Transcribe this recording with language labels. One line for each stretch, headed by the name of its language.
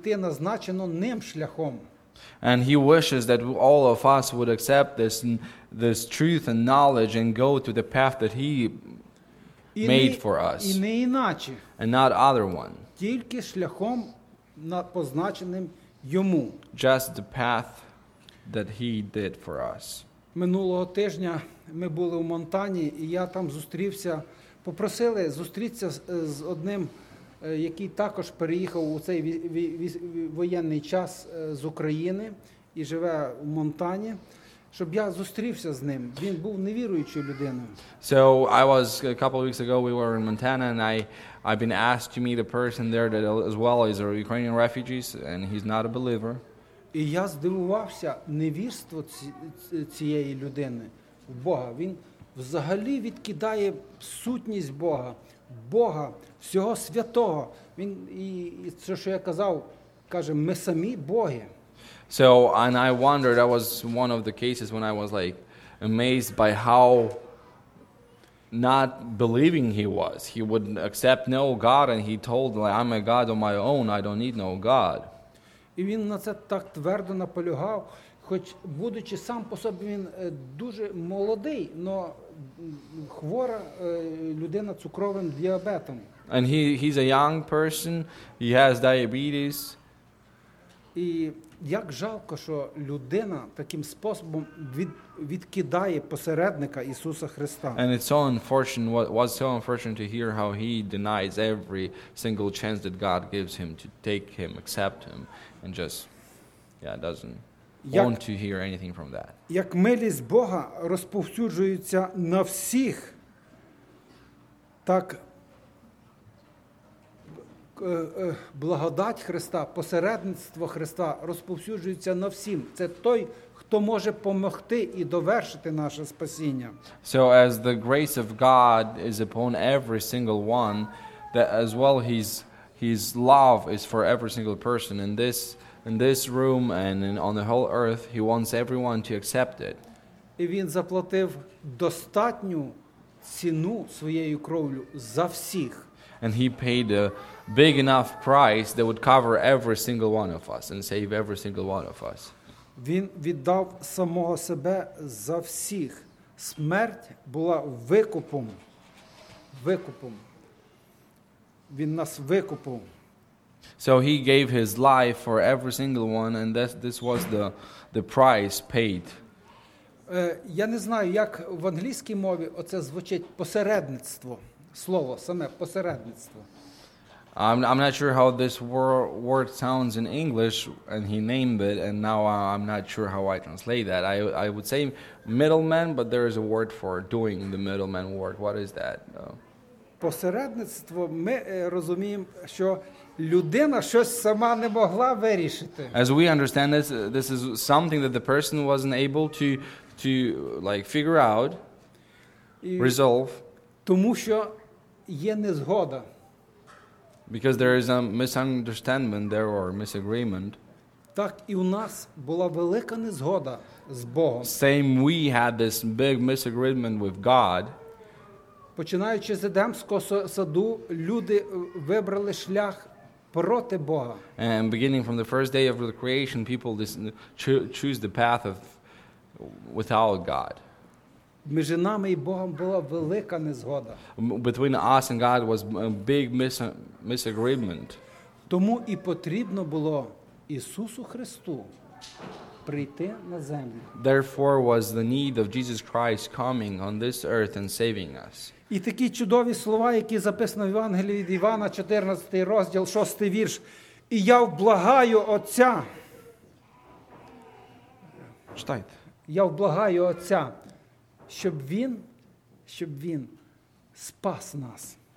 Ukrainian: Пізнали істину і йти назначеним ним шляхом.
English: And he wishes that all of us would accept this truth and knowledge and go to the path that he made for us.
Ukrainian: І не іначе.
English: And not other one.
Ukrainian: Тільки шляхом, позначеним йому.
English: Just the path that he did for us.
Ukrainian: Минулого тижня ми були в Монтані, і я там попросили зустрітися з одним, який також переїхав у цей воєнний час з України і живе в Монтані, щоб я зустрівся з ним. Він був невіруючою людиною.
English: So I was a couple of weeks ago we were in Montana and I've been asked to meet a person there that as well is a Ukrainian refugee and he's not a believer.
Ukrainian: І я здивувався невірство цієї людини в Бога. Він взагалі відкидає сутність Бога. Бога, всього святого. Він і це, що я казав, каже, ми самі боги.
English: So, and I wondered, that was one of the cases when I was like amazed by how not believing he was. He wouldn't accept no God and he told like I'm a God on my own, I don't need no God.
Ukrainian: І він на це так твердо наполягав, хоч будучи сам по собі він дуже молодий, но хвора людина цукровим діабетом.
English: And he's a young person, he has diabetes.
Ukrainian: І як жалко, що людина таким способом відкидає посередника Ісуса Христа.
English: And it's so unfortunate, was so unfortunate to hear how he denies every single chance that God gives him to take him, accept him, and just, yeah, doesn't.
Ukrainian: Як,
English: want to hear anything from that.
Ukrainian: Як милість Бога розповсюджується на всіх, так благодать Христа, посередництво Христа розповсюджується на всім. Це той, хто може допомогти і довершити наше спасіння.
English: So as the grace of God is upon every single one, that as well his love is for every single person in this room and on the whole earth, he wants everyone to accept it.
Ukrainian: І він заплатив достатню ціну своєю кров'ю за всіх.
English: And he paid a big enough price that would cover every single one of us and save every single one of us.
Ukrainian: Він віддав самого себе за всіх. Смерть була викупом. Викупом. Він нас викупив.
English: So he gave his life for every single one, and this was the price paid.
Ukrainian: Я не знаю, як в англійській мові оце звучить посередництво. Слово саме посередництво.
English: I'm not sure how this word sounds in English, and he named it, and now I'm not sure how I translate that. I would say middleman, but there is a word for doing the middleman work. What is that?
Ukrainian: Посередництво, ми розуміємо, що людина щось сама не могла вирішити.
English: As we understand this is something that the person wasn't able to like figure out, resolve.
Ukrainian: Тому що є незгода.
English: Because there is a misunderstanding there or misagreement.
Ukrainian: Так і у нас була велика незгода з Богом.
English: Same, we had this big misagreement with God.
Ukrainian: Починаючи з Едемського саду, люди вибрали шлях проти Бога.
English: And beginning from the first day of the creation, people choose the path of without God.
Ukrainian: Між нами і Богом була велика незгода.
English: Between us and God was a big misagreement.
Ukrainian: Тому і потрібно було Ісусу Христу прийти на землю.
English: Therefore was the need of Jesus Christ coming on this earth and saving us.
Ukrainian: І такі чудові слова, які записано в Євангелії від Івана, 14 розділ, 6 вірш. І я вблагаю Отця. Читайте. Я вблагаю Отця, щоб він спас нас.